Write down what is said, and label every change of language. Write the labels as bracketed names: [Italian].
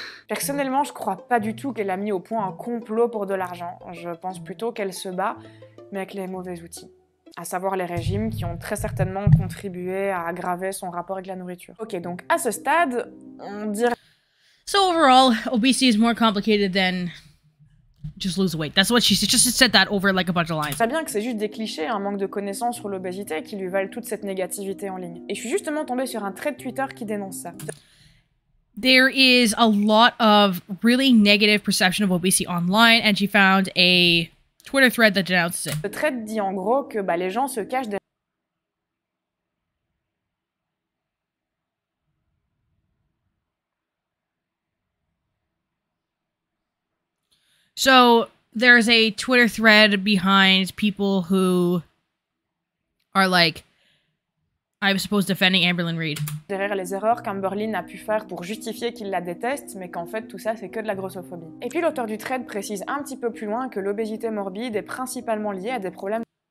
[French] Personnellement, je crois pas du tout qu'elle a mis au point un complot pour de l'argent. Je pense plutôt qu'elle se bat mais avec les mauvais outils, à savoir les régimes qui ont très certainement contribué à aggraver son rapport avec la nourriture. Ok, donc à ce stade, on dirait... [English] So overall, obesity is more complicated than just lose weight. That's what she said. Just said that over like a bunch of lines. [French] Je sais bien que c'est juste des clichés, un manque de connaissances sur l'obésité qui lui valent toute cette négativité en ligne. Et je suis justement tombée sur un thread Twitter qui dénonce ça. [English] There is a lot of really negative perception of obesity online and she found a... Twitter thread that denounces it. [French] Le thread dit en gros que bah, les gens se cachent des... [English] So, there's a Twitter thread behind people who are like, I'm supposed defending Amberlynn Reid. [French] Derrière les erreurs qu'Amberlynn a pu faire pour justifier qu'il la déteste, mais qu'en fait tout ça c'est que de la grossophobie. Et puis l'auteur du thread précise un petit peu plus loin que l'obésité morbide est principalement liée à des problèmes.